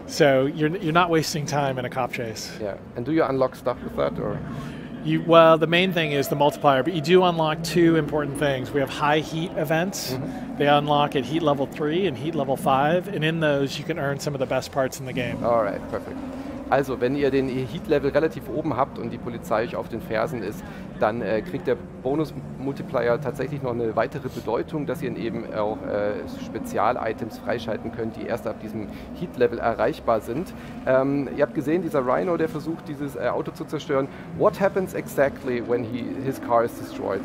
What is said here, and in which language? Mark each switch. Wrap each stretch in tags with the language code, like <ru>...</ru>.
<en>So you're not wasting time in a cop chase. Yeah. And do you unlock stuff with that? Or? Well, the main thing is the multiplier, but you do unlock two important things. We have high heat events. They unlock at heat level 3 and heat level 5. And in those, you can earn some of the best parts in the game. All right, perfect.</en> <de>Also, wenn ihr den Heat-Level relativ oben habt und die Polizei euch auf den Fersen ist, dann kriegt der Bonus-Multiplier tatsächlich noch eine weitere Bedeutung, dass ihr eben auch Spezial-Items freischalten könnt, die erst ab diesem Heat-Level erreichbar sind. Ihr habt gesehen, dieser Rhino, der versucht, dieses Auto zu zerstören.</de> <en>What happens exactly when his car is destroyed?</en>